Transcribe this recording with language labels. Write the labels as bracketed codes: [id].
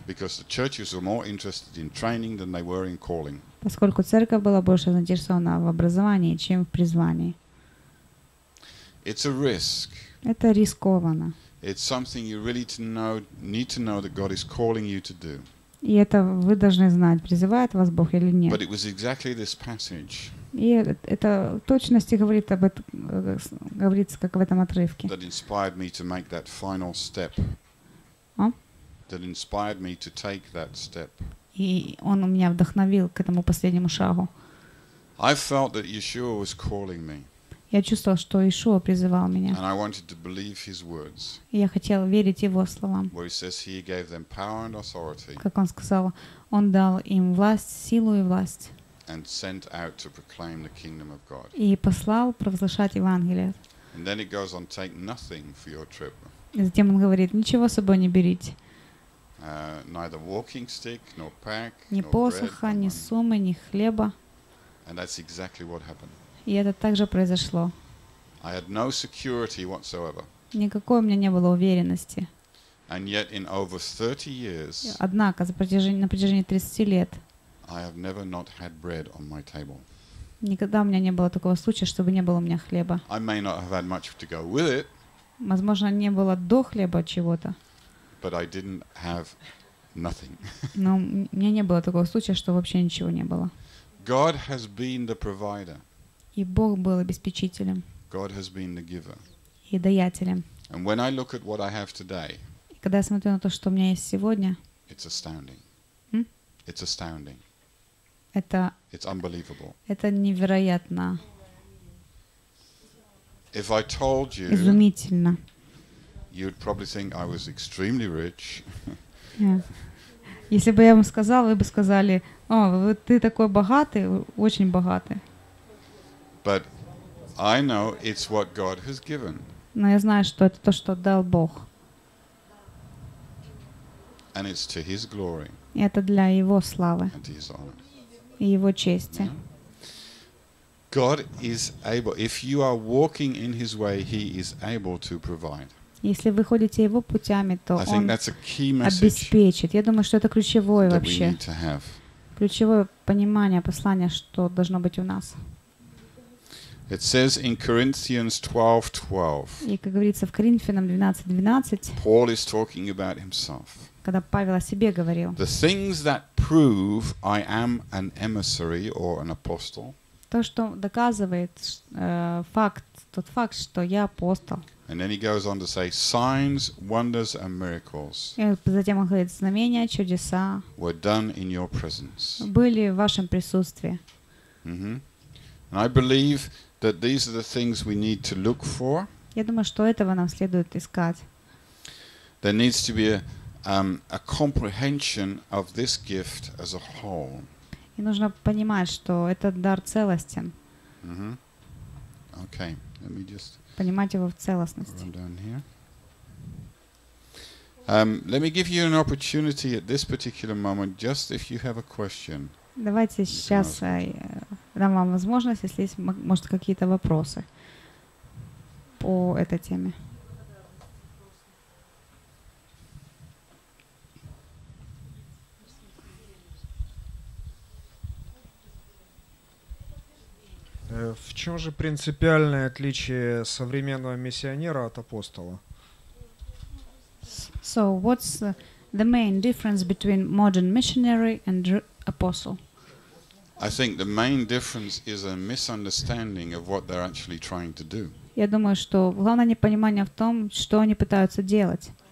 [en] Because the churches were more interested in training than they were in calling. [ru] Поскольку церковь была больше заинтересована в образовании, чем в призвании. [en] It's a risk. [ru] Это рискованно. [en] It's something you really need to know that God is calling you to do. [ru] И это вы должны знать, призывает вас Бог или нет. [en] But it was exactly this passage. [ru] И это в точности говорит об этом, говорится, как в этом отрывке. [en] That inspired me to make that final step. That inspired me to take that step. [ru] И он меня вдохновил к этому последнему шагу. [en] I felt that Yeshua was calling me. [ru] Я чувствовал, что Иешуа призывал меня. [en] And I wanted to believe his words. [ru] И я хотел верить его словам. [en] Where he says he gave them power and authority. [ru] Как он сказал, он дал им власть, силу и власть. [en] And sent out to proclaim the kingdom of God. [ru] И послал провозглашать Евангелие. [en] And then it goes on, take nothing for your trip. [ru] И затем он говорит, ничего с собой не берите. [en] Neither walking stick, nor pack, [ru] ни посоха, [en] nor bread, [ru] ни суммы, ни хлеба. [en] And that's exactly what happened. [ru] И это также произошло. [en] I had no security whatsoever. [ru] Никакой у меня не было уверенности. [en] And yet in over 30 years. [ru] Однако на протяжении 30 лет. [en] I have never not had bread on my table. [ru] Никогда у меня не было такого случая, чтобы не было у меня хлеба. [en] I may not have had much to go with it. [ru] Возможно, не было до хлеба чего-то. [en] But I didn't have nothing. [ru] Но у меня не было такого случая, что вообще ничего не было. [en] God has been the provider. [ru] И Бог был обеспечителем. [en] God has been the giver. [ru] И даятелем. [en] And when I look at what I have today. [ru] И когда я смотрю на то, что у меня есть сегодня. [en] It's astounding. It's astounding. It's unbelievable. [ru] Это невероятно. [en] If I told you. [ru] Изумительно. [en] You'd probably think I was extremely rich. Yeah. [ru] Если бы я вам сказал, вы бы сказали: "О, ты такой богатый, очень богатый". [en] But I know it's what God has given. [ru] Но я знаю, что это то, что дал Бог. [en] And it's to his glory. [ru] Это для его славы и его чести. [en] God is able. If you are walking in his way, he is able to provide. [ru] Если вы ходите его путями, то [en] I [ru] он обеспечит. Я думаю, что это ключевое вообще. Ключевое понимание послания, что должно быть у нас. [en] It says in Corinthians 12:12. [ru] И как говорится в Коринфянам 12:12. [en] Paul is talking about himself. [ru] Когда Павел о себе говорил. [en] The things that prove I am an emissary or an apostle. [ru] То, что доказывает факт, тот факт, что я апостол. [en] And then he goes on to say signs, wonders and miracles. [ru] И затем он говорит, знамения, чудеса. [en] Were done in your presence. [ru] Были в вашем присутствии. Mm-hmm. [en] And I believe that these are the things we need to look for. [ru] Я думаю, что этого нам следует искать. [en] There needs to be a comprehension of this gift as a whole. [ru] И нужно понимать, что этот дар целостен. [en] Mm-hmm. Okay. Let me just [ru] понимать его в целостности. [en] Let me give you an opportunity at this particular moment, just if you have a question. [ru] Давайте сейчас дам вам возможность, если есть, может, какие-то вопросы по этой теме. В чем же принципиальное отличие современного миссионера от апостола? [en] So, what's the main difference between modern missionary and apostle? I think the main difference is a misunderstanding of what they're actually trying to do. [ru] Я думаю, что главное непонимание в том, что они пытаются делать.